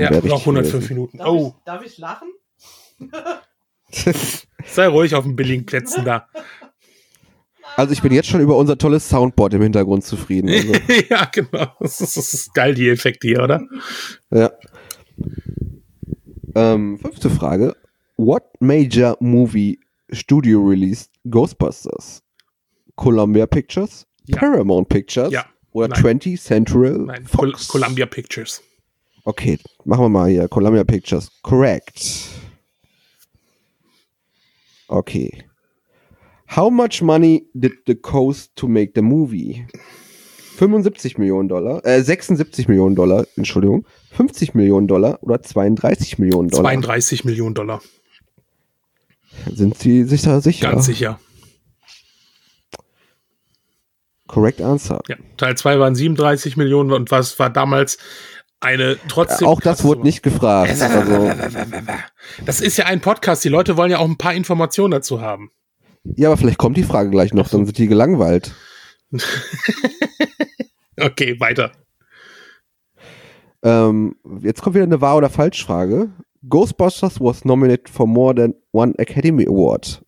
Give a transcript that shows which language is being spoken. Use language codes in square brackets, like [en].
[de] Ja, noch 105 gewesen. Minuten. Darf ich lachen? Sei ruhig auf den billigen Plätzen da. Also ich bin jetzt schon über unser tolles Soundboard im Hintergrund zufrieden. Also. Ja, genau. Das ist geil, die Effekte hier, oder? Ja. Fünfte Frage. [en] What major movie studio released Ghostbusters? [de] Columbia Pictures? Ja. Paramount Pictures? Ja. Oder 20 Central Fox. Columbia Pictures. Okay, machen wir mal hier. [en] Columbia Pictures. Correct. [de] Okay. [en] How much money did the cost to make the movie? [de] 75 Millionen Dollar. 76 Millionen Dollar, Entschuldigung. 50 Millionen Dollar oder 32 Millionen Dollar? 32 Millionen Dollar. Sind Sie sich da sicher? Ganz sicher. [en] Correct answer. [de] Ja, Teil 2 waren 37 Millionen und was war damals eine trotzdem. Auch das wurde nicht gefragt. Also, das ist ja ein Podcast, die Leute wollen ja auch ein paar Informationen dazu haben. Ja, aber vielleicht kommt die Frage gleich noch, dann sind die gelangweilt. Okay, weiter. Jetzt kommt wieder eine Wahr- oder Falsch-Frage. [en] Ghostbusters was nominated for more than one Academy Award.